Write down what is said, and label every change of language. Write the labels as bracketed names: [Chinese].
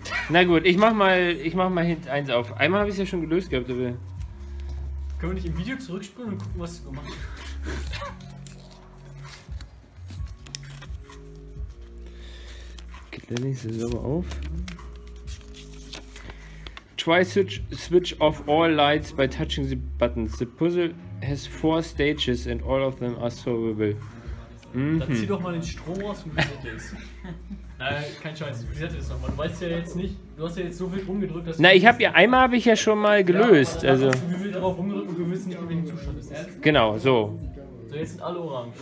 [German] Na gut, ich mach mal hinten eins auf. Einmal habe ich es ja schon gelöst gehabt, aber. Können wir nicht im Video zurückspulen und gucken, was ich gemacht habe? Geht der nächste sauber auf? [English] Try switch off all lights by touching the buttons. The puzzle has 4 stages and all of them are solvable. Mm-hmm. [German] Dann zieh doch mal den Strom aus und reset das. Nein, kein Scheiß, ich reset das nochmal. Du weißt ja jetzt nicht, du hast ja jetzt so viel rumgedrückt, dass... Na, ich hab ja, einmal habe ich ja schon mal gelöst, ja, also... Du willst darauf rumgedrückt und du willst nicht, in welchem Zustand ist. Genau, so. So, jetzt sind alle orange.